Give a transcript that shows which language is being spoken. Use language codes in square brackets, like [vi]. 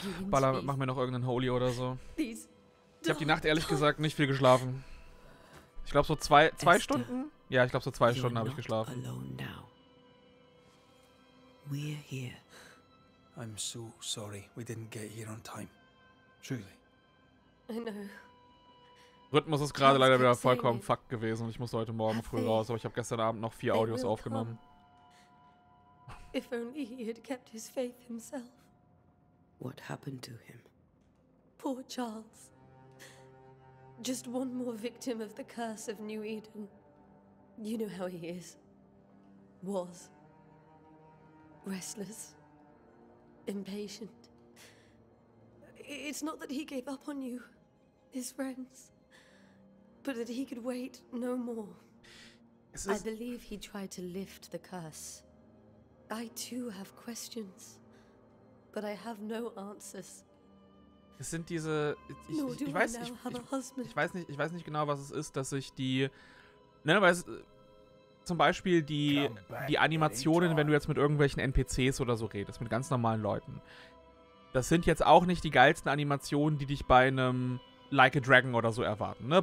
[de] Baller, mach mir noch irgendeinen Holy oder so. Ich habe die Nacht ehrlich gesagt nicht viel geschlafen. Ich glaube so zwei Esther, Stunden? Ja, ich glaube so zwei Stunden habe ich geschlafen. [en] We're here. I'm so sorry we didn't get here on time. Truly. I know. [de] Rhythmus ist gerade leider wieder vollkommen fuck gewesen und ich muss heute Morgen früh raus, aber ich habe gestern Abend noch 4 Audios aufgenommen. [en] If only he had kept his faith himself. What happened to him? Poor Charles. Just one more victim of the curse of New Eden. You know how he is. Was. Restless. Impatient. It's not that he gave up on you, his friends, but that he could wait no more. I believe he tried to lift the curse. I too have questions, but I have no answers. [de] Es sind diese. Ich weiß nicht genau, was es ist, dass ich die. Nein, aber es. Zum Beispiel die Animationen, wenn du jetzt mit irgendwelchen NPCs oder so redest, mit ganz normalen Leuten. Das sind jetzt auch nicht die geilsten Animationen, die dich bei einem Like a Dragon oder so erwarten. Ne?